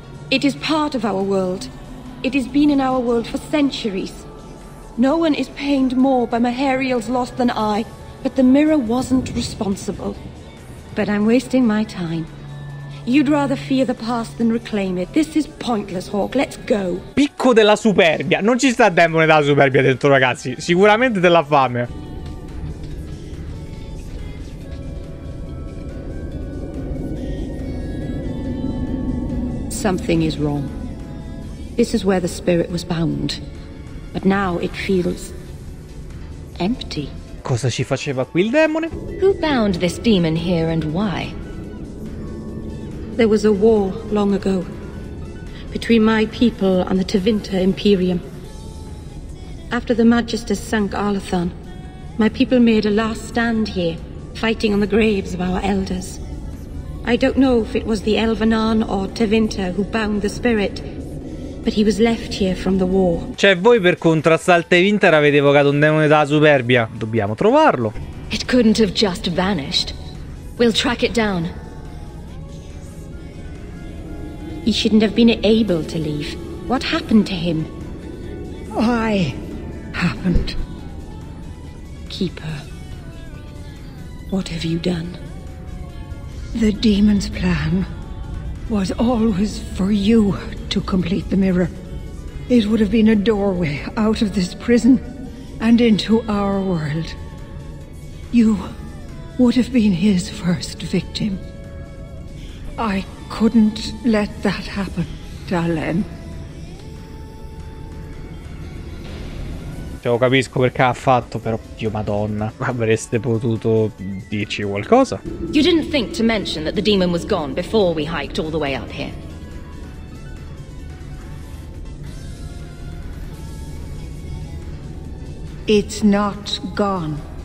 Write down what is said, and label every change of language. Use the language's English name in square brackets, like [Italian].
[English] It is part of our world. It has been in our world for centuries. No one is pained more by Mahariel's loss than I, but the mirror wasn't responsible. But I'm wasting my time. You'd rather fear the past than reclaim it. This is pointless, Hawk. Let's go. [Italian] Picco della superbia. Non ci sta demone della superbia dentro, ragazzi. Sicuramente della fame. [English] Something is wrong. This is where the spirit was bound. But now it feels empty. [Italian] Cosa ci faceva qui il demone? [English] Who bound this demon here and why? There was a war long ago between my people and the Tevinter Imperium. After the Magister sunk Arlathan, my people made a last stand here, fighting on the graves of our elders. I don't know if it was the Elvanan or Tevinter who bound the spirit, but he was left here from the war. [Italian] Cioè, voi per contrastare il Tevinter avete evocato un demone della superbia. Dobbiamo trovarlo. [English] It couldn't have just vanished. We'll track it down. He shouldn't have been able to leave. What happened to him? I happened. Keeper, what have you done? The demon's plan was always for you to complete the mirror. It would have been a doorway out of this prison and into our world. You would have been his first victim. I couldn't let that happen, Dalen. [Italian] Cioè, capisco perché ha fatto, però Dio Madonna, avreste potuto dirci qualcosa? [English] You didn't think to mention that the demon was gone before we hiked all the way up here. It's not gone.